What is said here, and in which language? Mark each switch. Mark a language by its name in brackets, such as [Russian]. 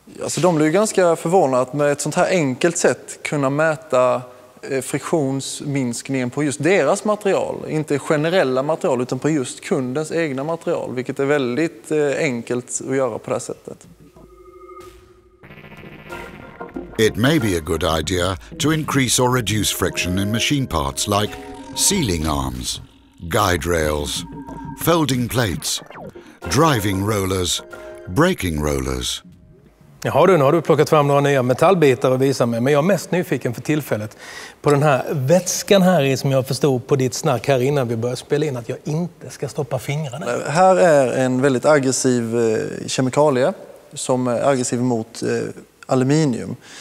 [Swedish] Alltså, de blir ganska förvånade att med ett sånt här enkelt sätt kunna mäta friktionsminskningen på just deras material. Inte generella material utan på just kundens egna material, vilket är väldigt enkelt att göra på det sättet. [English] It may be a good idea to increase or reduce friction in machine parts like sealing arms, guide rails, folding plates, driving rollers, braking rollers. [Swedish] Jaha du, nu har du plockat fram några nya metallbitar att visa mig, men jag är mest nyfiken för tillfället på den här vätskan här i, som jag förstod på ditt snack här innan vi började spela in, att jag inte ska stoppa fingrarna. Här är en väldigt aggressiv kemikalie som är aggressiv mot aluminium.